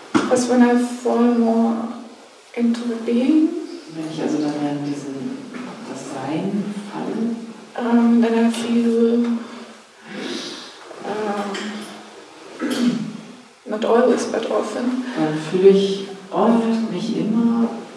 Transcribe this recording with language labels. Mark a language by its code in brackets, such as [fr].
[en] because when I fall more into the being, [de] wenn ich also dann in diesen, das Sein falle, [en] then I feel not always, but often. [de] Dann fühle ich oft, nicht immer,